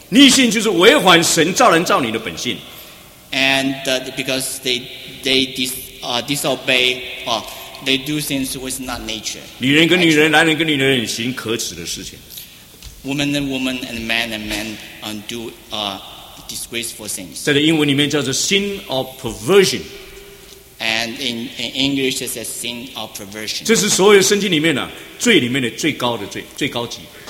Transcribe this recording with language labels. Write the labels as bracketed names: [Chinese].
[Chinese] 逆性就是违反神造人造女的本性。 [English] And because they disobey they do things with not nature. [Chinese] 女人跟女人，男人跟女人行可耻的事情。 [English] Women and women and men and men do disgraceful things. [Chinese] 在英文里面叫做 [English] sin of perversion. And in English, it says sin of perversion. [Chinese] 这是所有圣经里面的、啊、罪里面的最高的罪，最高级。